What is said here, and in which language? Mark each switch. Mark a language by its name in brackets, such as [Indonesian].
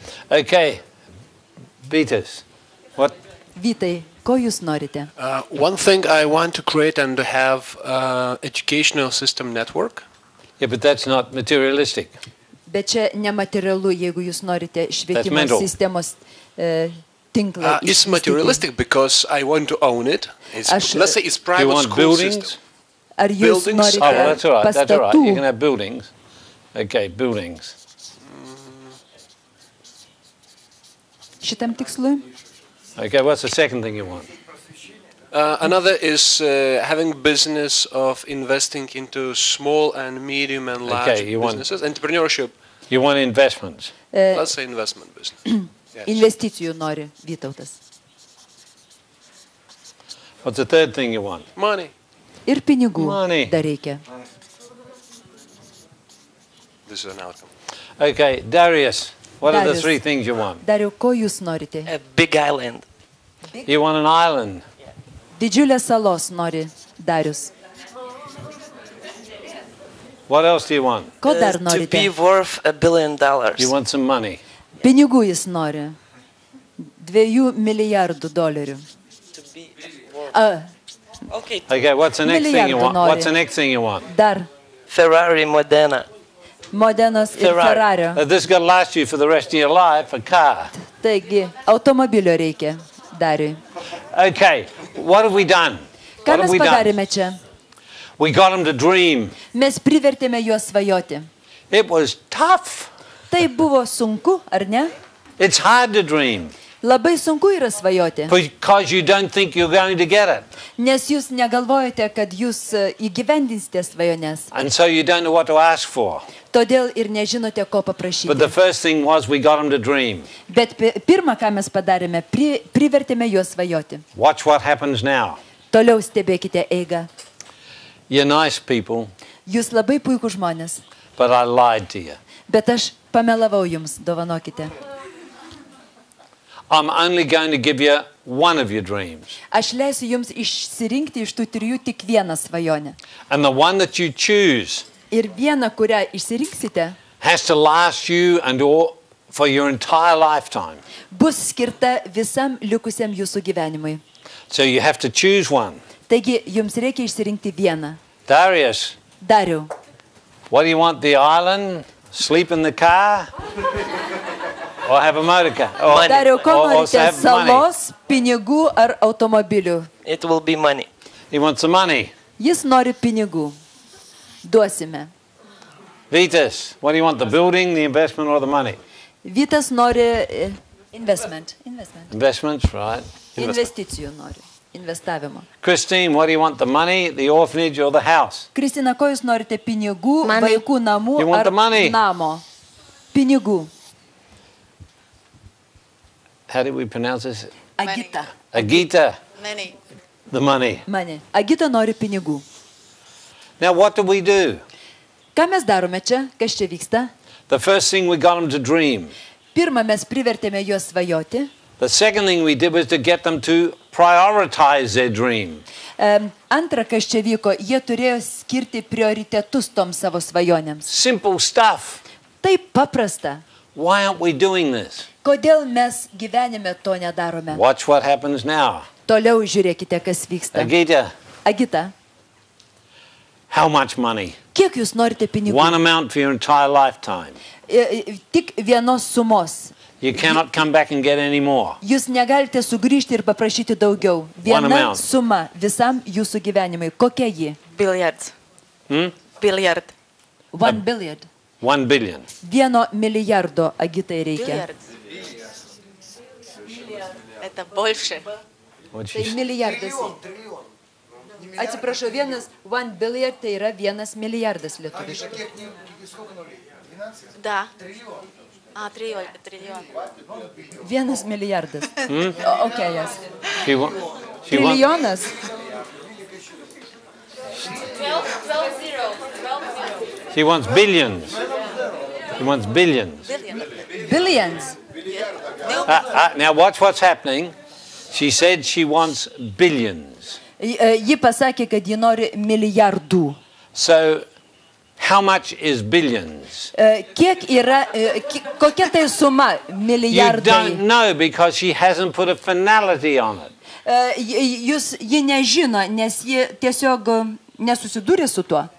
[English] Okay, Vitas, what? [Lithuanian] Vitai, ko jūs norite? [English] One thing I want to create and have educational system network. Yeah, but that's not materialistic. [Lithuanian] Bet čia nematerialu, jeigu jūs norite švietimo sistemos [English] It's materialistic because I want to own it. Let's say it's private school system. Buildings? [Lithuanian] Ar jūs buildings? [English] Oh, well, that's all right. That's all right. You can have buildings. Okay, buildings. [Lithuanian] Šitam tikslui? [English] Okay, what's the second thing you want? Another is having business of investing into small and medium and large okay, you businesses. Want, entrepreneurship. You want investments? Let's say investment business. [Lithuanian] Investicijų nori, Vytautas. [English] What's the third thing you want? Money. [Lithuanian] Ir pinigų. Money. Dar reikia. [English] This is an outcome. Okay, Darius, what Darius. Are the three things you want? [Lithuanian] Dariu, ko jūs norite? [English] A big island. You want an island? Yeah. [Lithuanian] Didžiulės salos nori, Darius. [English] What else do you want? [Lithuanian] Ko dar norite? [English] To be worth $1 billion. You want some money? [Lithuanian] Yeah. Pinigų jis nori. 2 milijardų dolerių. [English] To be worth. Okay, what's the next thing you want? Nori. What's the next thing you want? [Lithuanian] Dar. Ferrari Modena. Modenos Ferrari. Ir Ferrario. [English] This is going to last you for the rest of your life, a car. [Lithuanian] Taigi, automobilio reikia, Dariui. [English] Okay, what have we done? [Lithuanian] Ką mes padarėme čia? [English] We got them to dream. [Lithuanian] Mes privertėme juos svajoti. [English] It was tough. [Lithuanian] Tai buvo sunku, ar ne? [English] It's hard to dream. [Lithuanian] Labai sunku yra svajoti. [English] Because you don't think you're going to get it. [Lithuanian] Nes jūs negalvojate, kad jūs įgyvendinsite svajones. [English] And so you don't know what to ask for. [Lithuanian] Todėl ir nežinote, ko paprašyti. [English] But the first thing was we got them to dream. [Lithuanian] Bet pirmą, ką mes padarėme, privertėme juos svajoti. [English] Watch what happens now. [Lithuanian] Toliau stebėkite eigą. [English] You're nice people. [Lithuanian] Jūs labai puikūs žmonės. [English] But I lied to you. [Lithuanian] Bet aš pamelavau jums, dovanokite. [English] I'm only going to give you one of your dreams. [Lithuanian] Aš leisiu jums išsirinkti iš tų trijų tik vieną svajonę. [English] And the one that you choose. [Lithuanian] Ir vieną, kurią išsirinksite. [English] Has to last you and all for your entire lifetime. [Lithuanian] Bus skirta visam likusiam jūsų gyvenimui. [English] So you have to choose one. [Lithuanian] Taigi jums reikia išsirinkti vieną. [English] Darius. [Lithuanian] Dariu. [English] What do you want, the island, sleep in the car? Or have a motor car? [Lithuanian] Dariu, ko norite, salos, pinigų ar automobilių? [English] It will be money. He wants some money. [Lithuanian] Jis nori pinigų. Duosime. [English] Vitas, what do you want, the building, the investment or the money? [Lithuanian] Vitas nori investment. [English] Investments, right. [Lithuanian] Investicijų nori. Investavimo. [English] Christine, what do you want, the money, the orphanage or the house? [Lithuanian] Kristina, ko jūs norite, pinigų, [English] money. [Lithuanian] Vaikų namų [English] you want [Lithuanian] ar [English] the money? [Lithuanian] Namo? Pinigų. [English] How do we pronounce this? Agita. Agita. Money. The money. [Lithuanian] Money. Agita nori pinigų. [English] Now what do we do? [Lithuanian] Ką mes darome čia? Kas čia vyksta? [English] The first thing we got them to dream. [Lithuanian] Pirma, mes privertėme juos svajoti. [English] The second thing we did was to get them to prioritize their dream. [Lithuanian] Antra, kas čia vyko, jie turėjo skirti prioritetus tom savo svajonėms. [English] Simple stuff. [Lithuanian] Taip paprasta. [English] Why aren't we doing this? [Lithuanian] Kodėl mes gyvenime to nedarome? [English] Watch what happens now. [Lithuanian] Toliau žiūrėkite, kas vyksta. [English] Agita. [Lithuanian] Agita. [English] How much money? [Lithuanian] Kiek jūs norite pinigų? [English] One amount for your entire lifetime. [Lithuanian] Tik vienos sumos. [English] You cannot come back and get any more. [Lithuanian] Jūs negalite sugrįžti ir paprašyti daugiau. Viena suma visam jūsų gyvenimui. Kokia ji? [English] Billiards. Hmm? Billiard. One billiard. 1 billion. [Lithuanian] Vieno milijardo agitai reikia. [English] Billiards. [Lithuanian] Tai milijardas. Atsiprašau, vienas [English] one billiard [Lithuanian] tai yra vienas milijardas lietuviškai. Da. Trilijonas. Vienas milijardas. Hmm? [English] Okay, yes. She [Lithuanian] trilijonas? 12-0. [English] She wants billions. She wants billions. Billions. Billions. Now watch what's happening. She said she wants billions. [Lithuanian] Ji pasakė, kad ji nori milijardų. [English] So, how much is billions? [Lithuanian] Kiek yra, kokia tai suma milijardai? [English] You don't know because she hasn't put a finality on it. [Lithuanian] Ji nežino, nes ji tiesiog nesusidūrė su tuo.